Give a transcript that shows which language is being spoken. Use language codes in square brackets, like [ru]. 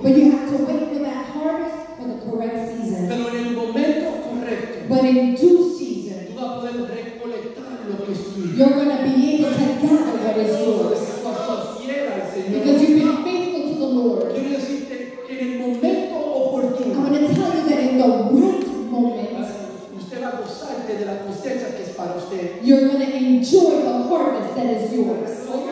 [en] But you have to wait for that harvest for the correct season. [es] Pero en el momento correcto. [en] But in due season. [es] Tú vas a poder recolectar lo que es tuyo. [en] You're going to be able to gather what is yours. [es] Porque tú has sido fiel al [en] Señor. Because you've been faithful to the Lord. [es] Quiero decirte que en el momento oportuno. [en] I'm going to tell you that in the right moment. [es] Usted va a gozarte de la cosecha que es para usted. [en] You're going to enjoy the harvest that is yours.